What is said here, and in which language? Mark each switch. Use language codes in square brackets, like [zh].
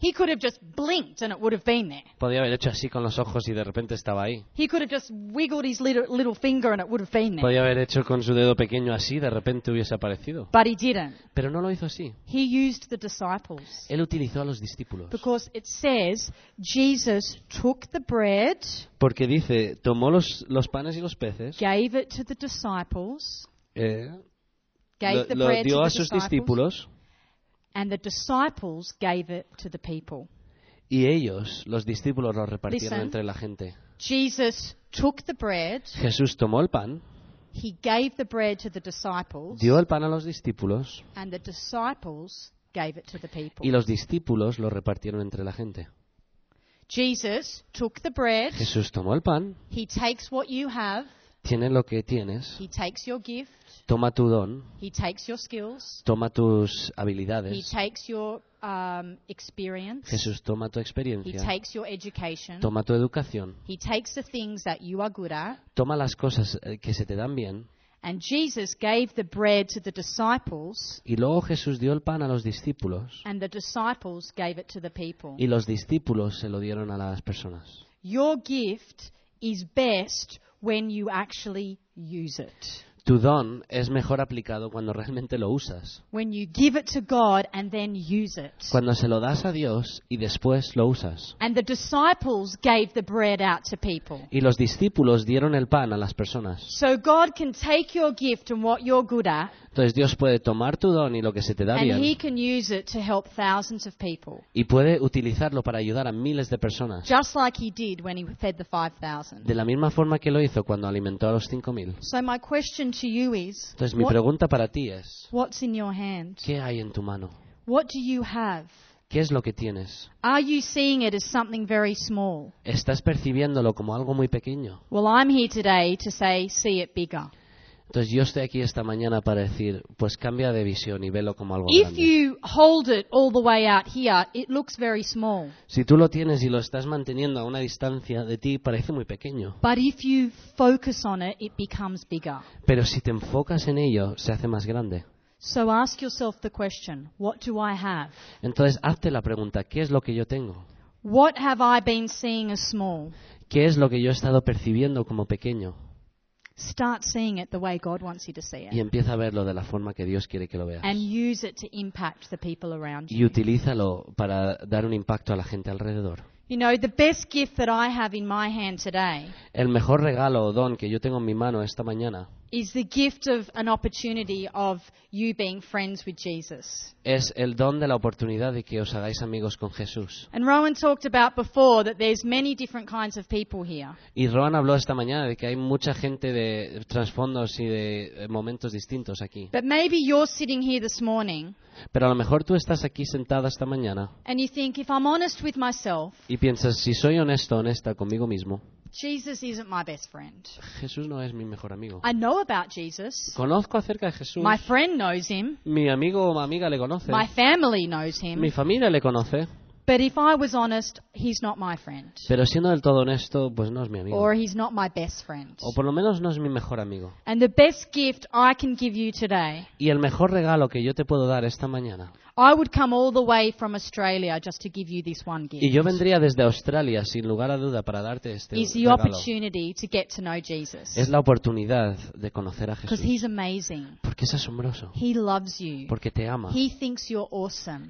[en] He could have just blinked and it would have been there. [es] Podía haber hecho así con los ojos y de repente estaba ahí. [en] He could have just wiggled his little finger and it would have been there. [es] Podía haber hecho con su dedo pequeño así y de repente hubiese aparecido. [en] But he didn't. [es] Pero no lo hizo así. [en] He used the disciples. [es] Él utilizó a los discípulos. [en] Because it says Jesus took the bread. [es] Porque dice, tomó los panes y los peces. [en] Gave it to the disciples. [es] Lo dio a sus discípulos. [en] And the disciples gave it to the people. [es] Y ellos, los discípulos, lo repartieron [en] Listen, [es] entre la gente. [en] Jesus took the bread. [es] Jesús tomó el pan. [en] He gave the bread to the disciples. [es] Dio el pan a los discípulos. [en] And the disciples gave it to the people. [es] Y los discípulos lo repartieron entre la gente. [en] Jesus took the bread. [es] Jesús tomó el pan. [en] He takes what you have. [es] tiene lo que tienes. [en] He takes your gift. [es] Toma tu don. [en] He takes your skills. [es] Toma tus habilidades. [en] He takes your experience. [es] Jesús, toma tu experiencia. [en] He takes your education. [es] Toma tu educación. [en] He takes the things that you are good at. [es] Toma las cosas que se te dan bien. [en] And Jesus gave the bread to the disciples. [es] Y luego Jesús dio el pan a los discípulos. [en] And the disciples gave it to the people. [es] Y los discípulos se lo dieron a las personas. [en] Your gift is best when you actually use it. [es] Tu don es mejor aplicado cuando realmente lo usas. [en] When you give it to God and then use it. [es] Cuando se lo das a Dios y después lo usas. [en] And the disciples gave the bread out to people. [es] Y los discípulos dieron el pan a las personas. [en] So God can take your gift and what you're good at. [es] Entonces Dios puede tomar tu don y lo que se te da bien. [en] And he can use it to help thousands of people. [es] Y puede utilizarlo para ayudar a miles de personas. [en] Just like he did when he fed the 5,000. [es] De la misma forma que lo hizo cuando alimentó a los 5,000. [en] So my question to you is, [es] entonces mi pregunta para ti es, [en] what's in your hand? [es] ¿Qué hay en tu mano? [en] What do you have? [es] ¿Qué es lo que tienes? [en] Are you seeing it as something very small? [es] ¿Estás percibiéndolo como algo muy pequeño? [en] Well, I'm here today to say, see it bigger. [es] Entonces yo estoy aquí esta mañana para decir, pues cambia de visión y velo como algo [en] if [es] grande. [en] You hold it all the way out here, it looks very small. [es] Si tú lo tienes y lo estás manteniendo a una distancia de ti, parece muy pequeño. [en] But if you focus on it, it becomes bigger. [es] Pero si te enfocas en ello, se hace más grande. [en] So ask yourself the question, what do I have? [es] Entonces hazte la pregunta, ¿qué es lo que yo tengo? [en] What have I been seeing as small? [es] ¿Qué es lo que yo he estado percibiendo como pequeño? [en] Start seeing it the way God wants you to see it. [es] Y empieza a verlo de la forma que Dios quiere que lo veas. [en] And use it to impact the people around you. [es] Y utilízalo para dar un impacto a la gente alrededor. [en] You know, the best gift that I have in my hand today. [es] El mejor regalo o don que yo tengo en mi mano esta mañana. [en] Is the gift of an opportunity of you being friends with Jesus. [es] Es el don de la oportunidad de que os hagáis amigos con Jesús. [en] And Rowan talked about before that there's many different kinds of people here. [es] Y Rowan habló esta mañana de que hay mucha gente de trasfondos y de momentos distintos aquí. [en] But maybe you're sitting here this morning. [es] Pero a lo mejor tú estás aquí sentada esta mañana. [en] And you think, if I'm honest with myself. [es] Y piensas, si soy honesto, honesta conmigo mismo. [en] Jesus isn't my best friend. [es] Jesús no es mi mejor amigo. [en] I know about Jesus. [es] Conozco acerca de Jesús. [en] My friend knows him. [es] Mi amigo o amiga le conoce. [en] My family knows him. [es] Mi familia le conoce. [en] But if I was honest, he's not my friend. [es] Pero siendo del todo honesto, pues no es mi amigo. [en] Or he's not my best friend. [es] O por lo menos no es mi mejor amigo. [en] And the best gift I can give you today. [es] Y el mejor regalo que yo te puedo dar esta mañana. [en] I would come all the way from Australia just to give you this one gift. [es] Y yo vendría desde Australia sin lugar a duda para darte este regalo. [en] Is the opportunity to get to know Jesus. [es] Es la oportunidad de conocer a Jesús. [en] Because he's amazing. [es] Porque es asombroso. [en] He loves you. [es] Porque te ama. [en] He thinks you're awesome.